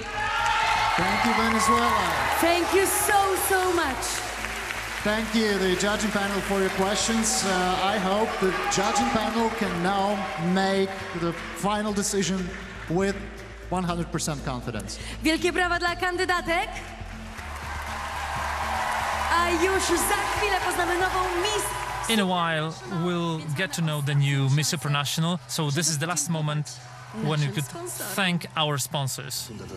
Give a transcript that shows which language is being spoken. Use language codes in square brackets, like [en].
[en] Thank you, Venezuela. Thank you so, so much. Thank you, the judging panel, for your questions. I hope the judging panel can now make the final decision with 100% confidence. [pl] Wielkie brawa dla kandydatek. A już za chwilę poznamy nową Miss. [en] In a while, we'll get to know the new Miss Supranational, so this is the last moment when you could thank our sponsors.